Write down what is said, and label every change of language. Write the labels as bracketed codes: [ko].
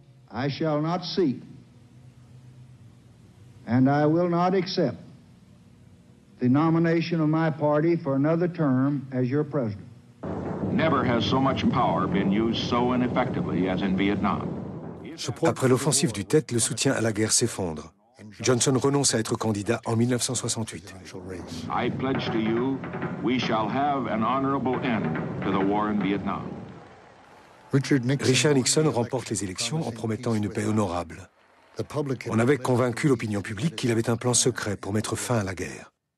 [en] I shall not seek, and I will not accept the nomination of my party for another term as your president. Never has so much power been used so ineffectively as in Vietnam. [fr] Après l'offensive du Tet, le soutien à la guerre s'effondre. Johnson renonce à être candidat en 1968. [en] I pledge to you, we shall have an honorable end to the war in Vietnam. [fr] Richard Nixon remporte les élections en promettant une paix honorable. On avait convaincu l'opinion publique qu'il avait un plan secret pour mettre fin à la guerre.